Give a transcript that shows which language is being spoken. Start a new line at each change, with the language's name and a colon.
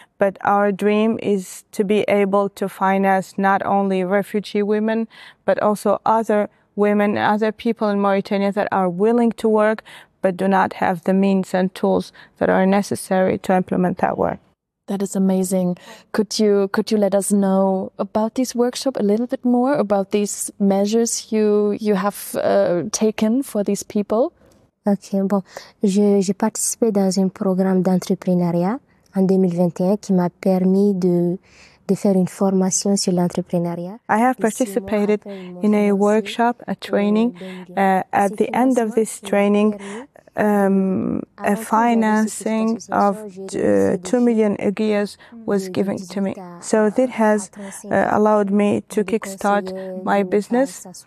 English: But our dream is to be able to finance not only refugee women, but also other women, other people in Mauritania that are willing to work, but do not have the means and tools that are necessary to implement that work. That is amazing. Could you let us know about this workshop a little bit more, about these measures you have taken for these people?
French: Okay, bon, j'ai participé dans un programme d'entrepreneuriat en 2021 qui m'a permis de faire une formation sur l'entrepreneuriat.
English: I have participated in a workshop, a training. At the end of this training, A financing of 2 million Egeas was given to me. So that has allowed me to kickstart my business.